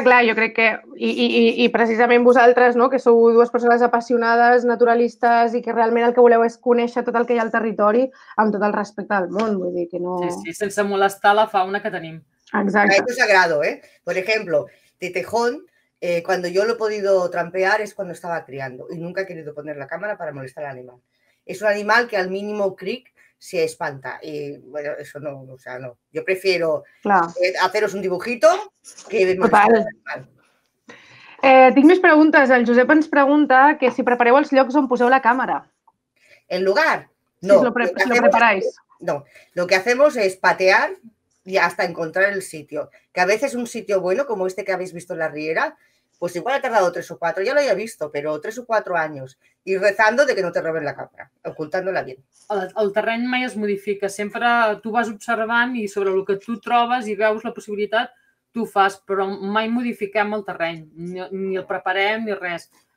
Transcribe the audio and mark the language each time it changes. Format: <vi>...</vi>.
<ca>clar, jo crec que, i precisament vosaltres, no, que sou dues persones apassionades, naturalistes, i que realment el que voleu és conèixer tot el que hi ha al territori amb tot el respecte del món, vull dir que no... Sí, sense molestar la fauna que tenim. Exacte.</ca> <es>A ellos es agrado, ¿eh? Por ejemplo, de tejón, cuando yo lo he podido trampear es cuando estaba criando y nunca he querido poner la cámara para molestar al animal. Es un animal que al mínimo cric se espanta. Y bueno, eso no, o sea, no. Yo prefiero haceros un dibujito que...</es> <ca>Total. Tinc més preguntes. El Josep ens pregunta que si prepareu els llocs on poseu la càmera.</ca> <es>¿El lugar? No. Si lo preparáis. No. Lo que hacemos es patear y hasta encontrar el sitio. Que a veces un sitio bueno, como este que habéis visto en la Riera, pues igual ha tardado 3 o 4, ya lo había visto, pero 3 o 4 años. Y rezando de que no te roben la cámara, ocultándola bien.</es> <ca>El terreny mai es modifica. Sempre tu vas observant i sobre el que tu trobes i veus la possibilitat, tu fas, però mai modifiquem el terreny, ni el preparem ni res.</ca>